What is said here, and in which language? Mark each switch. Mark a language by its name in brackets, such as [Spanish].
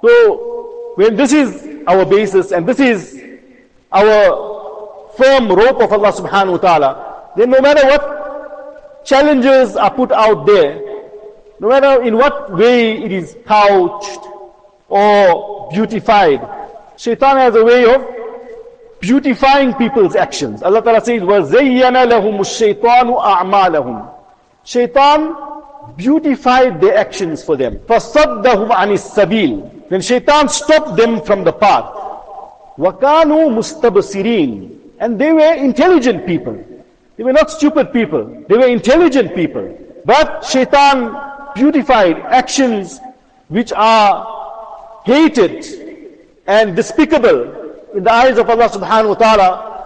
[English] So when this is our basis and this is our firm rope of Allah subhanahu wa ta'ala, then no matter what challenges are put out there, no matter in what way it is couched or beautified, shaitan has a way of beautifying people's actions. Allah ta'ala says, [Arabic] وَزَيَّنَ لَهُمُ الشَّيْطَانُ أَعْمَالَهُمْ. [English] Shaitan beautified their actions for them. [Arabic] فَصَدَّهُمْ عَنِ السَّبِيلِ. [English] Then shaitan stopped them from the path. [Arabic] وَكَانُوا مُسْتَبْصِرِينَ. [English] And they were intelligent people. They were not stupid people. They were intelligent people. But shaitan beautified actions which are hated and despicable in the eyes of Allah subhanahu wa ta'ala.